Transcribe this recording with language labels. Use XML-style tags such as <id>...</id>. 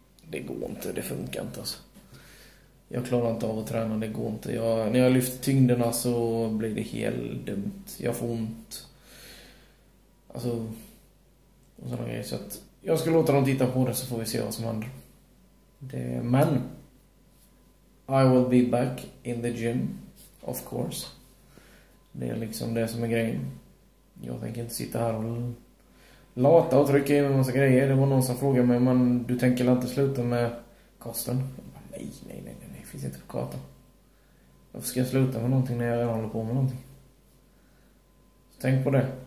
<sv>Det går inte, det funkar inte alltså. Jag klarar inte av att träna, det går inte. När jag lyfter tyngderna så blir det helt dumt. Jag får ont. Alltså, och sådana grejer. Så att jag ska låta dem titta på det, så får vi se vad som händer. Men</sv> <en>I will be back in the gym, of course.</en> <sv>Det är liksom det som är grejen. Jag tänker inte sitta här och lata och trycka in en massa grejer. Det var någon som frågade mig, men du tänker inte sluta med kosten? Jag bara, nej, finns inte på kartan. Varför ska jag sluta med någonting när jag håller på med någonting? Så tänk på det.</sv>